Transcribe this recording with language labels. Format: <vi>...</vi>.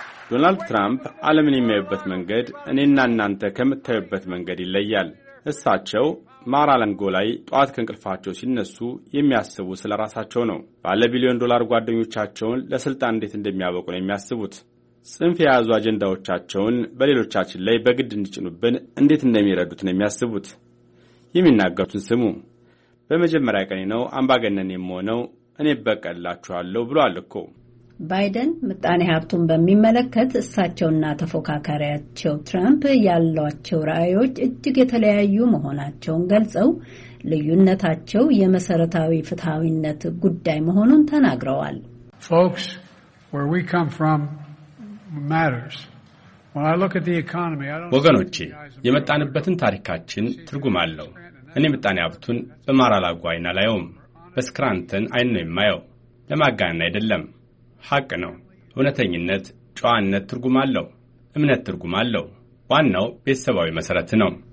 <am>ዶናልድ ትራምፕ ዓለምን የሚያዩበት መንገድ እኔና እናንተ ከምታዩበት መንገድ ይለያል። እሳቸው ማራላንጎ ላይ ጧት ከንቅልፋቸው ሲነሱ የሚያስቡ ስለራሳቸው ነው። ባለ ቢሊዮን ዶላር ጓደኞቻቸውን ለስልጣን እንዴት እንደሚያበቁ ነው የሚያስቡት። ጽንፍ የያዙ አጀንዳዎቻቸውን በሌሎቻችን ላይ በግድ እንዲጭኑብን እንዴት እንደሚረዱት ነው የሚያስቡት። የሚናገሩትን ስሙ። በመጀመሪያ ቀኔ ነው አምባገነን የምሆነው፣ እኔ በቀላችኋለሁ ብሏል እኮ። ባይደን ምጣኔ ሀብቱን በሚመለከት እሳቸውና ተፎካካሪያቸው ትራምፕ ያሏቸው ራዕዮች እጅግ የተለያዩ መሆናቸውን ገልጸው ልዩነታቸው የመሰረታዊ ፍትሐዊነት ጉዳይ መሆኑን ተናግረዋል።</am> <en>Folks, where we come from matters. When I look at the economy, I don't know.</en> <am>ወገኖቼ የመጣንበትን ታሪካችን ትርጉም አለው። እኔ ምጣኔ ሀብቱን በማራላጎ አይና ላይውም በስክራንተን አይነ የማየው ለማጋነን አይደለም። ሐቅ ነው። እውነተኝነት፣ ጨዋነት ትርጉም አለው። እምነት ትርጉም አለው። ዋናው ቤተሰባዊ መሰረት ነው።</am>